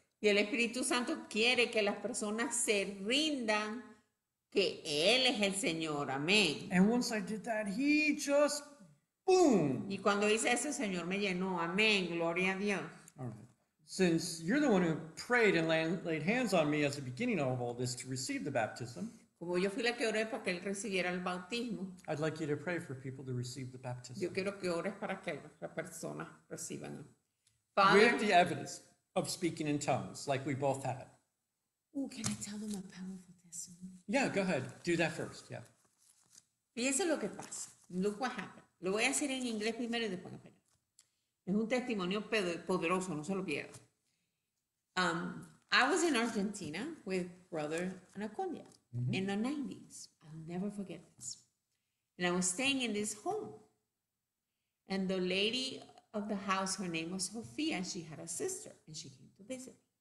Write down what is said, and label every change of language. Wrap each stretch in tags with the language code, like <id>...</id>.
<es>Y el Espíritu Santo quiere que las personas se rindan que él es el Señor. Amén.</es> <en>And once I did that, he just boom.</en> <es>Y cuando hice eso, el Señor me llenó. Amén. Gloria a Dios.</es> <en>All right. Since you're the one who prayed and laid hands on me as the beginning of all this to receive the baptism,</en> <es>como yo fui la que oré para que él recibiera el bautismo,</es> <en>I'd like you to pray for people to receive the baptism.</en> <es>Yo quiero que ores para que la persona reciba.</es> <en>Father, we have the evidence of speaking in tongues, like we both had. Ooh, can I tell them a powerful testimony? Yeah, go ahead. Do that first. Yeah.</en> <es>Fíjense lo que pasa.</es> <en>Look what happened.</en> <es>Lo voy a hacer en inglés primero y después en español. Es un testimonio poderoso, no se lo pierda.</es> <en>I was in Argentina with Brother Anaconda in the 90s. I'll never forget this. And I was staying in this home. And the lady of the house, her name was Sophia, and she had a sister, and she came to visit.</en>